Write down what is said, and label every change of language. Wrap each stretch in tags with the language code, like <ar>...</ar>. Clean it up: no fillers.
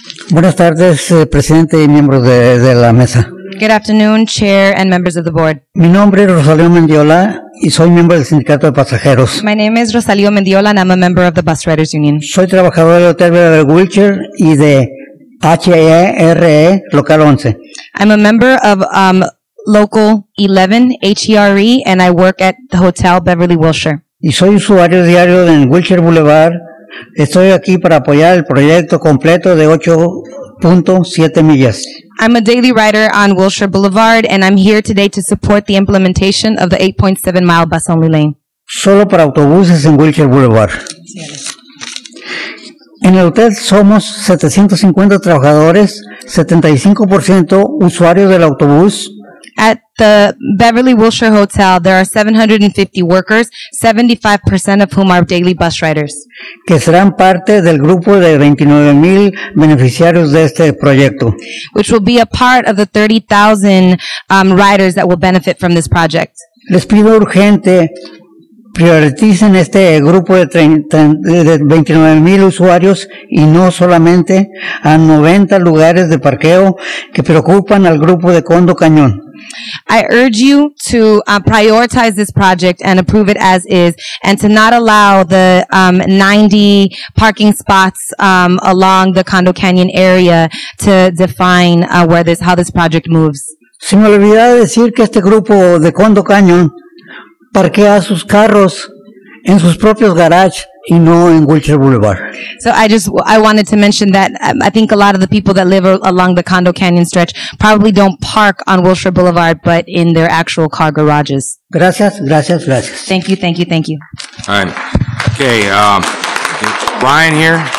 <es>Buenas tardes, presidente y miembro de la mesa.</es> <en>Good afternoon, chair and members of the board.</en> <es>Mi nombre es Rosalio Mendiola y soy miembro del sindicato de pasajeros.</es> <en>My name is Rosalio Mendiola and I'm a member of the Bus Riders Union.</en> <es>Soy trabajador del hotel de Wilshire y de HERE Local 11.</es> <en>I'm a member of Local 11, HERE, and I work at the Hotel Beverly Wilshire.</en> <es>Y soy usuario diario en Wilshire Boulevard. Estoy aquí para apoyar el proyecto completo de 8.7 millas.</es> <en>I'm a daily rider on Wilshire Boulevard, and I'm here today to support the implementation of the 8.7 mile bus only lane.</en> <es>Solo para autobuses en Wilshire Boulevard. En el hotel somos 750 trabajadores, 75% usuarios del autobús.</es> <en>At the Beverly Wilshire Hotel, there are 750 workers, 75% of whom are daily bus riders.</en> <es>Que serán parte del grupo de 29,000 beneficiarios de este proyecto.</es> <en>Which will be a part of the 30,000 riders that will benefit from this project.</en> <es>Les pido urgente, prioricen este grupo de 29,000 usuarios y no solamente a 90 lugares de parqueo que preocupan al grupo de Condo Cañón.</es> <en>I urge you to prioritize this project and approve it as is, and to not allow the 90 parking spots along the Condo Canyon area to define how this project moves.</en> <es>Se me olvidó decir que este grupo de Condo Canyon parquea sus carros en sus propios garages. Y no en Wilshire Boulevard.</es> <en>So I wanted to mention that I think a lot of the people that live along the Condo Canyon stretch probably don't park on Wilshire Boulevard, but in their actual car garages.</en> <es>Gracias, gracias, gracias.</es> <en>Thank you. All right. Okay, Ryan here.</en>